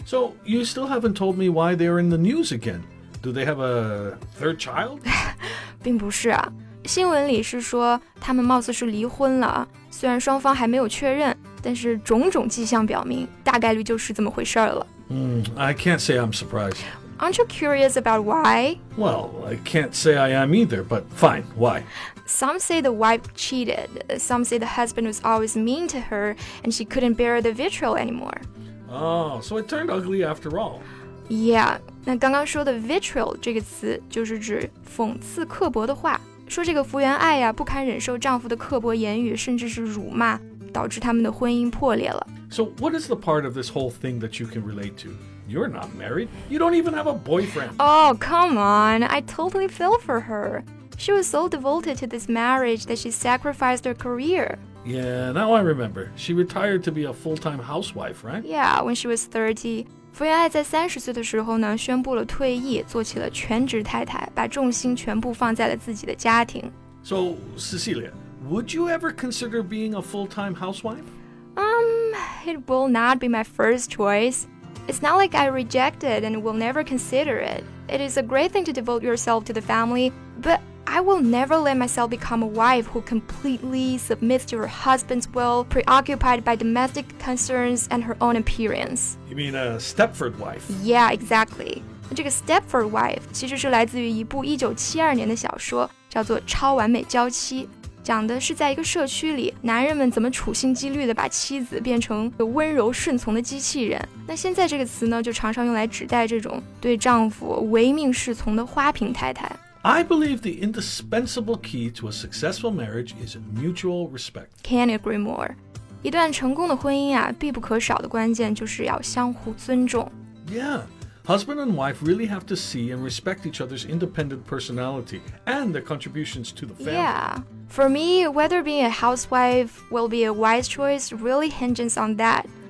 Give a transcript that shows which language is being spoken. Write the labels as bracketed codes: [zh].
[en] So you still haven't told me why they're in the news again. Do they have a third child? [zh] 并不是啊。新闻里是说他们貌似是离婚了，虽然双方还没有确认，但是种种迹象表明大概率就是这么回事了。 [en] I can't say I'm surprised. Aren't you curious about why? Well, I can't say I am either, but fine, why? Some say the wife cheated. Some say the husband was always mean to her and she couldn't bear the vitriol anymore. Oh, so it turned ugly after all. Yeah, [zh] 那刚刚说的 vitriol 这个词就是指讽刺刻薄的话，说这个福原爱呀、不堪忍受丈夫的刻薄言语甚至是辱骂，导致他们的婚姻破裂了。 [en] So what is the part of this whole thing that you can relate to? You're not married. You don't even have a boyfriend. Oh, come on. I totally feel for her. She was so devoted to this marriage that she sacrificed her career. Yeah, now I remember. She retired to be a full-time housewife, right? Yeah, when she was 30. [zh] 福原爱在30岁的时候呢，宣布了退役，做起了全职太太，把重心全部放在了自己的家庭。 [en] So, Cecilia, would you ever consider being a full-time housewife? It will not be my first choice. It's not like I reject it and will never consider it. It is a great thing to devote yourself to the family, but I will never let myself become a wife who completely submits to her husband's will, preoccupied by domestic concerns and her own appearance. You mean a Stepford wife? Yeah, exactly. [zh] 这个 Stepford wife 其实是来自于一部1972年的小说，叫做《超完美娇妻》。讲的是在一个社区里，男人们怎么处心积虑地把妻子变成温柔顺从的机器人。那现在这个词呢，就常常用来指代这种对丈夫唯命是从的花瓶太太。 [en] I believe the indispensable key to a successful marriage is mutual respect. Can't agree more. [zh] 一段成功的婚姻啊，必不可少的关键就是要相互尊重。 [en] Yeah. Husband and wife really have to see and respect each other's independent personality and their contributions to the family. Yeah. For me, whether being a housewife will be a wise choice really hinges on that.